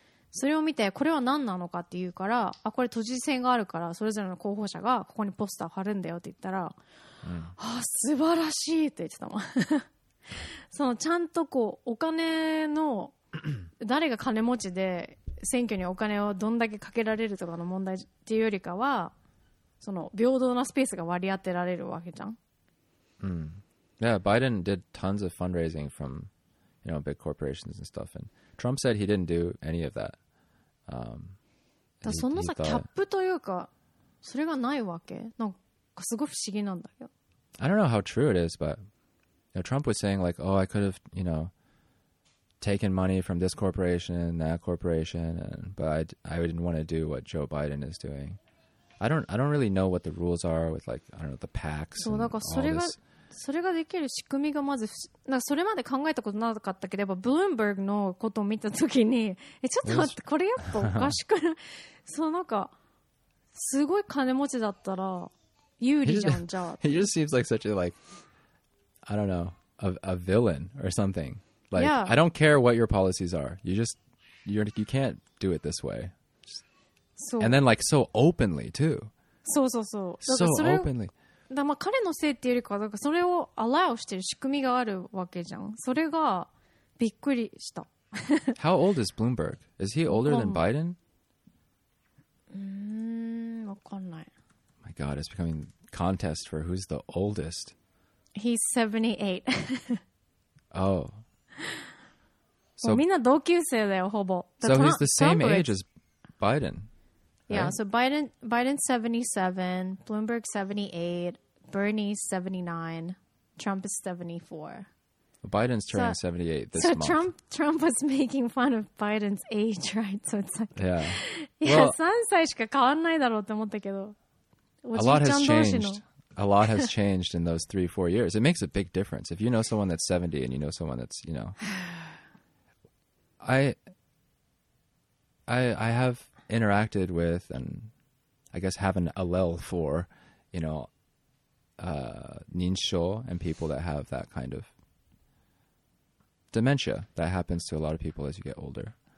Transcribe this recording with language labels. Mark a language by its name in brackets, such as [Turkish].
[Japanese] それを見て、これは何なのかって言うから、あ、これ都知事選があるからそれぞれの候補者がここにポスター貼るんだよって言ったら、あ、素晴らしいって言ってたもん。そのちゃんとこうお金の、誰が金持ちで選挙にお金をどんだけかけられるとかの問題っていうよりかは、その平等なスペースが割り当てられるわけじゃん。 [English] Yeah, Biden did tons of fundraising from, you know, big corporations and stuff, and Trump said he didn't do any of that. [Japanese] だ、そのさ、キャップというか、それがないわけ？なんか、すごい不思議なんだよ。 [English] I don't know how true it is, but you know, Trump was saying like, oh, I could have, you know, taken money from this corporation and that corporation, and, but I didn't want to do what Joe Biden is doing. I don't really know what the rules are with, like, I don't know, the PACs. [Japanese] そう、だからそれが、それができる仕組みがまず、なんかそれまで考えたことなかったけど、やっぱ Bloomberg のことを見たときに、え、ちょっと待って、これやっぱおかしくない？そう、なんか、すごい金持ちだったら、 [English] He just seems like such a, like, I don't know, a villain or something. Like, yeah. I don't care what your policies are. You just, you can't do it this way. So. And then, like, so openly, too. So, so, so. So openly. [Japanese] だから、まあ、彼のせいっていうよりかは、だからそれを allow してる仕組みがあるわけじゃん。それがびっくりした。 [English] How old is Bloomberg? Is he older than Biden? [Japanese] わかんない。 [English] God, it's becoming contest for who's the oldest. He's 78. Oh. [Japanese] So, みんな同級生だよ、ほぼ。 [English] So he's the same age as Biden. Yeah, right? So Biden's 77, Bloomberg 78, Bernie's 79, Trump is 74. Well, Biden's turning 78 this month. So Trump was making fun of Biden's age, right? So it's like, yeah. [Japanese] Yeah, 3歳しか変わんないだろうって思ったけど。 [English] A lot has changed. A lot has changed in those 3-4 years. It makes a big difference. If you know someone that's 70 and you know someone that's, you know. I have interacted with, and I guess have an allele for, you know, ninsho and people that have that kind of dementia that happens to a lot of people as you get older.